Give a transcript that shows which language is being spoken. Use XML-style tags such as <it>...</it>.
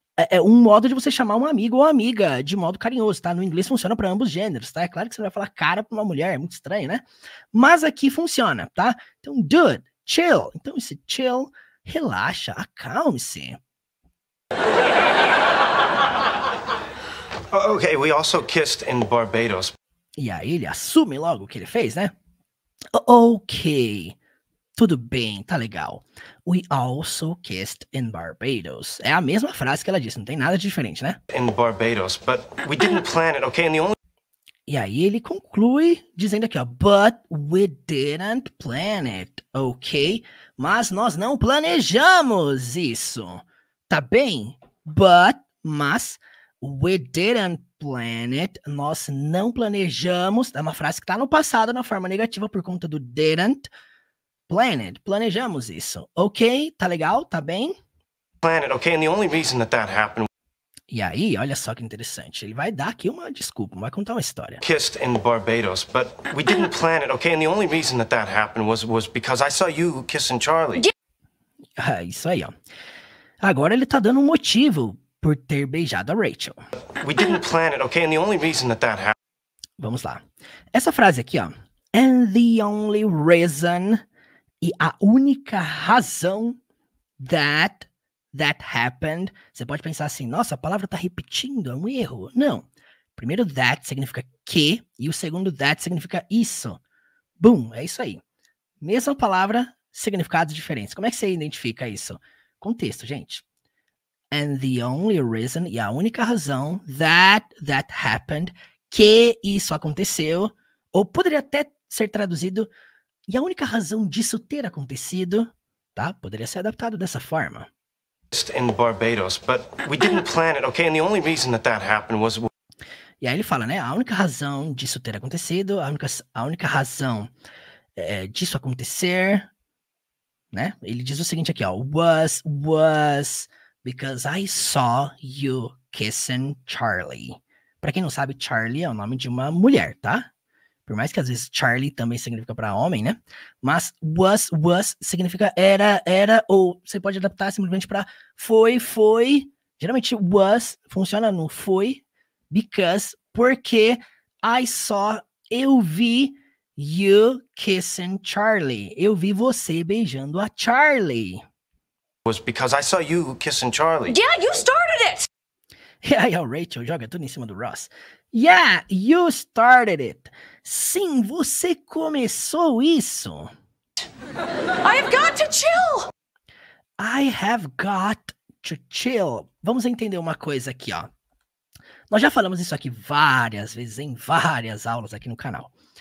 <pt>É um modo de você chamar um amigo ou amiga de modo carinhoso, tá? No inglês funciona para ambos gêneros, tá? É claro que você vai falar cara para uma mulher, é muito estranho, né? Mas aqui funciona, tá? Então,</pt> <en>dude, chill.</en> <pt>Então, esse chill, relaxa, acalme-se.</pt> <en>Okay, we also kissed in Barbados.</en> <pt>E aí ele assume logo o que ele fez, né? Okay. Tudo bem, tá legal.</pt> <en>We also kissed in Barbados.</en> <pt>É a mesma frase que ela disse, não tem nada de diferente, né?</pt> <en>In Barbados, but we didn't plan it, okay? And the only...</en> <pt>E aí ele conclui dizendo aqui, ó,</pt> <en>but we didn't plan it, okay?</en> <pt>Mas nós não planejamos isso, tá bem?</pt> <en>But,</en> <pt>mas,</pt> <en>we didn't plan it,</en> <pt>nós não planejamos. É uma frase que tá no passado na forma negativa por conta do didn't. Planet, planejamos isso. Ok, tá legal, tá bem?</pt> <en>Planet, ok, and the only reason that that happened...</en> <pt>E aí, olha só que interessante, ele vai dar aqui uma desculpa, vai contar uma história.</pt> <en>Kissed in Barbados, but we didn't plan it, ok, and the only reason that that happened was because I saw you kissing Charlie.</en> <pt>Isso aí, ó. Agora ele tá dando um motivo por ter beijado a Rachel.</pt> <en>We didn't plan it, ok, and the only reason that that happened...</en> <pt>Vamos lá. Essa frase aqui, ó.</pt> <en>And the only reason...</en> <pt>E a única razão</pt> <en>that happened,</en> <pt>você pode pensar assim, nossa, a palavra tá repetindo, é um erro. Não. Primeiro that significa que, e o segundo that significa isso. Boom, é isso aí. Mesma palavra, significados diferentes. Como é que você identifica isso? Contexto, gente.</pt> <en>And the only reason,</en> <pt>e a única razão</pt> <en>that happened,</en> <pt>que isso aconteceu, ou poderia até ser traduzido, e a única razão disso ter acontecido, tá? Poderia ser adaptado dessa forma.</pt> <en>In Barbados, but we didn't plan it, okay? And the only reason that that happened was...</en> <pt>E aí ele fala, né? A única razão disso ter acontecido, a única razão disso acontecer, né? Ele diz o seguinte aqui, ó.</pt> <en>Was because I saw you kissing Charlie.</en> <pt>Pra quem não sabe, Charlie é o nome de uma mulher, tá? Por mais que às vezes Charlie também significa para homem, né? Mas was significa era, ou você pode adaptar simplesmente para foi. Geralmente was funciona no foi,</pt> <en>because,</en> <pt>porque</pt> <en>I saw,</en> <pt>eu vi</pt> <en>you kissing Charlie.</en> <pt>Eu vi você beijando a Charlie.</pt> <en>Was because I saw you kissing Charlie. Yeah, you started it!</en> <pt>E aí a Rachel joga tudo em cima do Ross.</pt> <en>Yeah, you started it.</en> <pt>Sim, você começou isso.</pt> <en>I have got to chill. I have got to chill.</en> <pt>Vamos entender uma coisa aqui, ó. Nós já falamos isso aqui várias vezes, em várias aulas aqui no canal.</pt>